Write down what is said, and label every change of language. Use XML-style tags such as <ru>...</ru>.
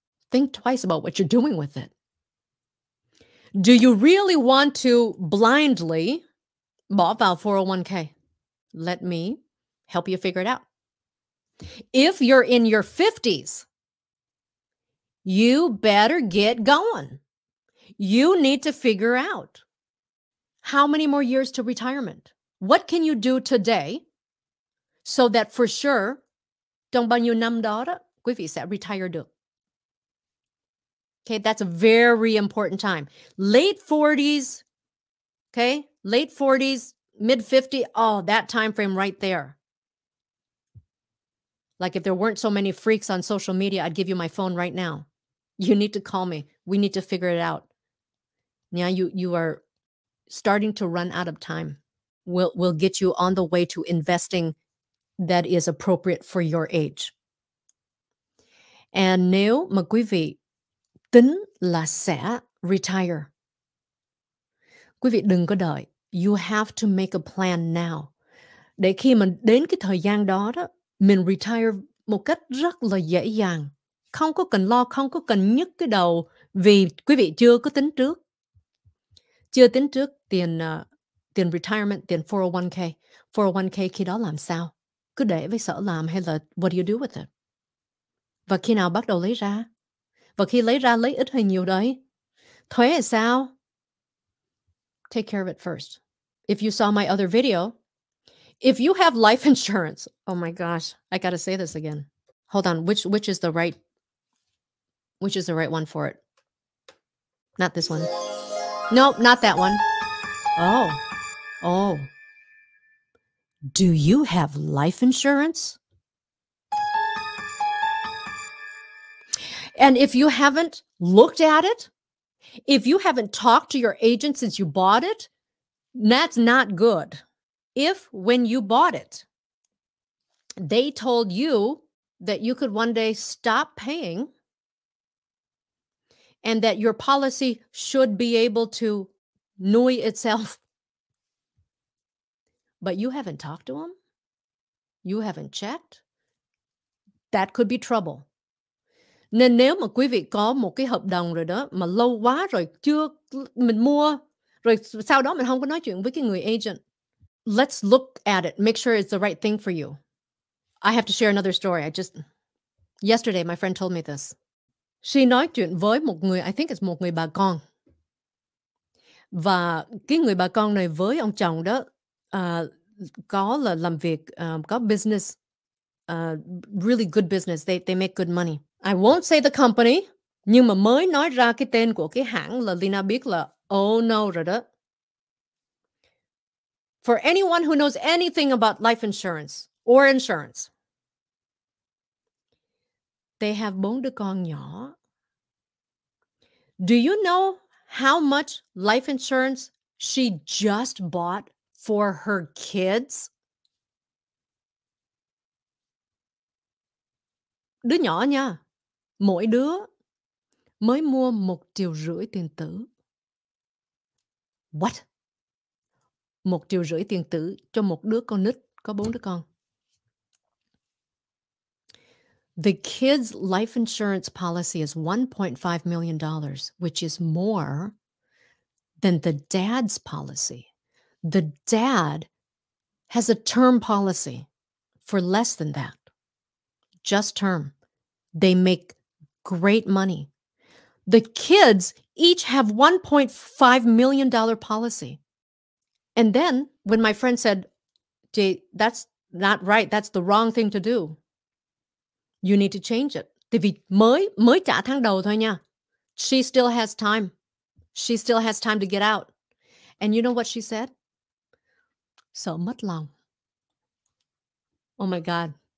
<en>Think twice about what you're doing with it. Do you really want to blindly</en> <vi>bỏ vào</vi> <en>401k? Let me help you figure it out. If you're in your 50s, you better get going. You need to figure out how many more years to retirement. What can you do today so that for sure,</en> <vi>trong bao nhiêu năm đó, quý vị sẽ retire được?</vi> <en>Okay, that's a very important time. Late 40s, okay? Late 40s, mid 50, oh, that time frame right there. Like if there weren't so many freaks on social media, I'd give you my phone right now. You need to call me. We need to figure it out. Yeah, you are starting to run out of time. We'll get you on the way to investing that is appropriate for your age.</en> <vi>And nếu mà quý vị tính là sẽ retire, quý vị đừng có đợi.</vi> <en>You have to make a plan now.</en> <vi>Để khi mà đến cái thời gian đó, mình retire một cách rất là dễ dàng. Không có cần lo, không có cần nhức cái đầu vì quý vị chưa có tính trước. Chưa tính trước tiền tiền retirement, tiền 401k. 401k khi đó làm sao? Cứ để với sở làm hay là</vi> <en>what do you do with it?</en> <vi>Và khi nào bắt đầu lấy ra? Và khi lấy ra lấy ít hay nhiều đấy? Thuế là sao?</vi> <en>Take care of it first. If you saw my other video, if you have life insurance, oh my gosh, I gotta say this again. Hold on, which is the right one for it? Not this one. Nope, not that one. Oh. Do you have life insurance? And if you haven't looked at it, if you haven't talked to your agent since you bought it, that's not good. If when you bought it, they told you that you could one day stop paying and that your policy should be able to</en> <vi>nuôi</vi> <en>itself, but you haven't talked to them, you haven't checked, that could be trouble.</en> <vi>Nên nếu mà quý vị có một cái hợp đồng rồi đó, mà lâu quá rồi chưa mình mua, rồi sau đó mình không có nói chuyện với cái người agent,</vi> <en>let's look at it, make sure it's the right thing for you. I have to share another story. Yesterday, my friend told me this. She</en> <vi>nói chuyện với một người,</vi> <en>I think it's</en> <vi>một người bà con. Và cái người bà con này với ông chồng đó có là làm việc, có business,</vi> <en>really good business. They make good money. I won't say the company,</en> <vi>nhưng mà mới nói ra cái tên của cái hãng là Lina biết là oh no rồi đó.</vi> <en>For anyone who knows anything about life insurance or insurance, They have bông de cong nhỏ. Do you know how much life insurance she just bought for her kids?</en> <vi>Đứa nhỏ nha, mỗi đứa mới mua 1,5 triệu tiền tử. What? 1,5 triệu tiền tử cho một đứa con nít, có bốn đứa con.</vi> <en>The kids' life insurance policy is $1.5 million, which is more than the dad's policy. The dad has a term policy for less than that, just term. They make great money. The kids each have $1.5 million policy. And then when my friend said, Jay, that's not right. That's the wrong thing to do. You need to change it.</en> <vi>Tại vì mới trả tháng đầu thôi nha.</vi> <en>She still has time. She still has time to get out. And you know what she said?</en> <vi>Sợ mất lòng.</vi> <en>Oh my God.</en>